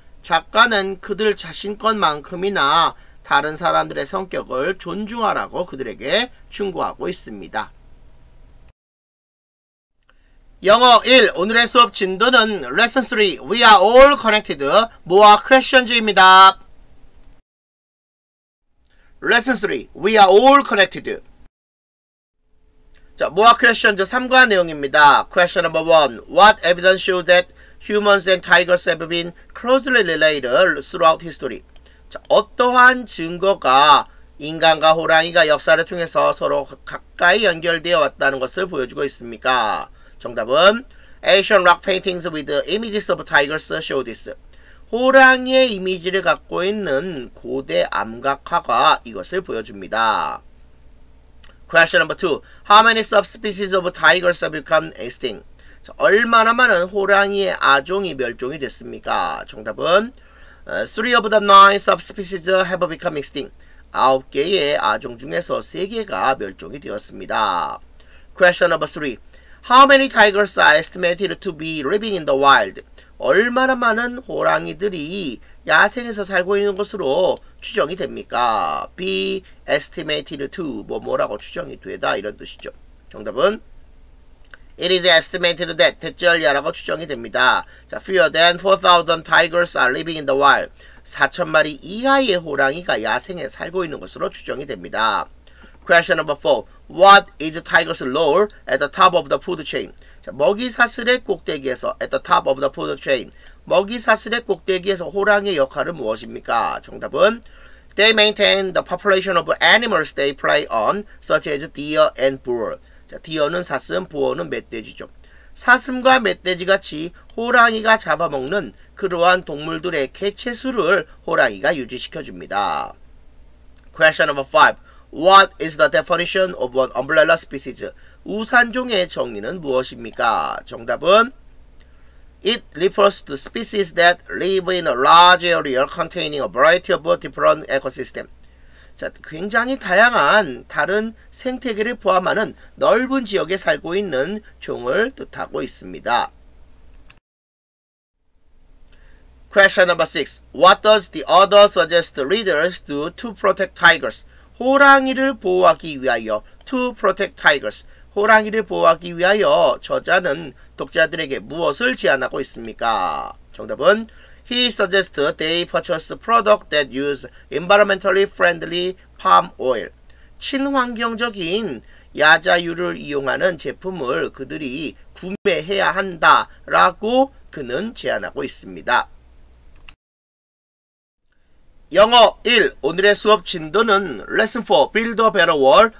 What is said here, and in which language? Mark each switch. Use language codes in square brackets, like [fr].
[ko] 작가는 그들 자신 것만큼이나 다른 사람들의 성격을 존중하라고 그들에게 충고하고 있습니다. 영어 1. 오늘의 수업 진도는 레슨 3. [en] We are all connected. [ko] 모아 퀘션즈입니다. [en] Lesson 3. We are all connected. [ko] 자, 모아 퀘션즈 3과 내용입니다. [en] Question number 1. What evidence shows that humans and tigers have been closely related throughout history? [ko] 자, 어떠한 증거가 인간과 호랑이가 역사를 통해서 서로 가까이 연결되어 왔다는 것을 보여주고 있습니까? 정답은 [en] Asian rock paintings with images of tigers show this. [ko] 호랑이의 이미지를 갖고 있는 고대 암각화가 이것을 보여줍니다. [en] Question number 2. How many subspecies of tigers have become extinct? [ko] 얼마나 많은 호랑이의 아종이 멸종이 됐습니까? 정답은 [en] 3 of the 9 subspecies have become extinct. [ko] 아홉 개의 아종 중에서 세 개가 멸종이 되었습니다. [en] Question number 3. How many tigers are estimated to be living in the wild? [ko] 얼마나 많은 호랑이들이 야생에서 살고 있는 것으로 추정이 됩니까? [en] Be estimated to [ko] 뭐뭐라고 추정이 되다 이런 뜻이죠. 정답은 [en] It is estimated that [ko] 대절야라고 추정이 됩니다. [en] 자, fewer than 4,000 tigers are living in the wild. [ko] 4,000마리 이하의 호랑이가 야생에 살고 있는 것으로 추정이 됩니다. [en] Question number 4. What is tiger's lore at the top of the food chain? [ko] 자, 먹이사슬의 꼭대기에서 [en] at the top of the food chain. [ko] 먹이사슬의 꼭대기에서 호랑이의 역할은 무엇입니까? 정답은 [en] They maintain the population of animals they prey on, such as deer and boar. [ko] 자, deer는 사슴, boar는 멧돼지죠. 사슴과 멧돼지같이 호랑이가 잡아먹는 그러한 동물들의 개체수를 호랑이가 유지시켜줍니다. [en] Question number 5. What is the definition of an umbrella species? [ko] 우산종의 정의는 무엇입니까? 정답은 [en] It refers to species that live in a large area containing a variety of different ecosystems. [ko] 자, 굉장히 다양한 다른 생태계를 포함하는 넓은 지역에 살고 있는 종을 뜻하고 있습니다. [en] Question number 6. What does the author suggest readers do to protect tigers? [ko] 호랑이를 보호하기 위하여 [en] To protect tigers. [ko] 호랑이를 보호하기 위하여 저자는 독자들에게 무엇을 제안하고 있습니까? 정답은 [en] He suggests they purchase products that use environmentally friendly palm oil. [ko] 친환경적인 야자유를 이용하는 제품을 그들이 구매해야 한다라고 그는 제안하고 있습니다. 영어 1. 오늘의 수업 진도는 Lesson 4. [en] Build a Better World.